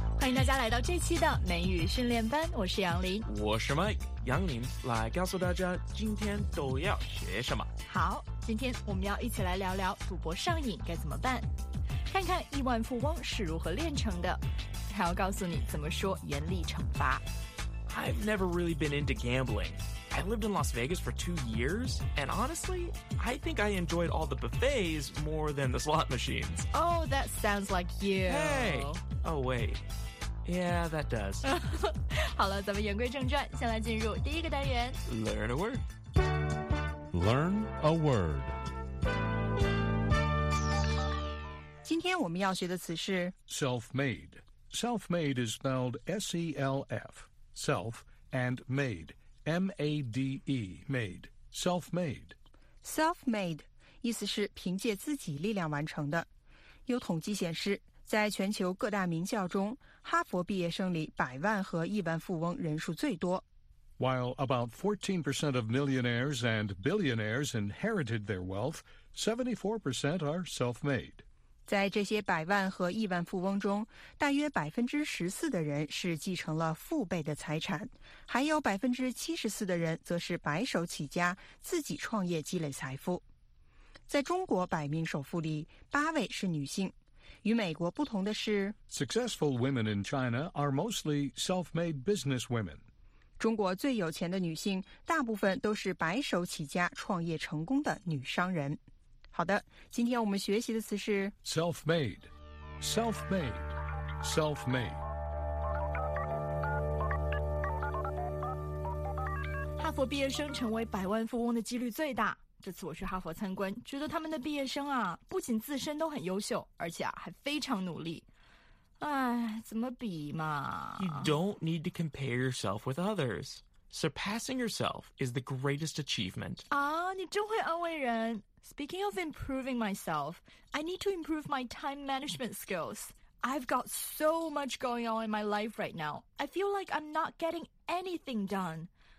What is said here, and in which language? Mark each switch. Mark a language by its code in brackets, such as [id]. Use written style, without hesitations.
[zh] 迎大家来到这期的美语训练班，我是杨林。我是 Mike， 杨林来告诉大家今天都要学什么。好，今天我们要一起来聊聊赌博上瘾该怎么办，看看亿万富翁是如何练成的，还要告诉你怎么说严厉惩罚。 [en] I've never really been into gambling. I lived in Las Vegas for 2 years, and honestly, I think I enjoyed all the buffets more than the slot machines. Oh, that sounds like you. Hey! Oh, wait. Yeah, that does. [zh] 好了，咱们言归正传，先来进入第一个单元。 [en] Learn a word. Learn a word. [zh] 今天我们要学的词是 [en] self-made. Self-made is spelled S-E-L-F. Self and made, M-A-D-E, made, self-made. [zh] Self-made, 意思是凭借自己力量完成的。有统计显示，在全球各大名校中，哈佛毕业生里百万和亿万富翁人数最多。 [en] While about 14% of millionaires and billionaires inherited their wealth, 74% are self-made. [zh] 在这些百万和亿万富翁中，大约14%的人是继承了父辈的财产，还有74%的人则是白手起家，自己创业积累财富。在中国百名首富里，8位是女性。与美国不同的是 [en] ，Successful women in China are mostly self-made business women。 [zh] 中国最有钱的女性，大部分都是白手起家创业成功的女商人。好的，今天我们学习的词是 [en] self-made, self-made, self-made. [zh] 哈佛毕业生成为百万富翁的几率最大。这次我去哈佛参观，觉得他们的毕业生啊，不仅自身都很优秀，而且啊还非常努力。哎，怎么比嘛 [en] ？You don't need to compare yourself with others. Surpassing yourself is the greatest achievement. [zh] 啊，你真会安慰人。 [en] Speaking of improving myself, I need to improve my time management skills. I've got so much going on in my life right now. I feel like I'm not getting anything done.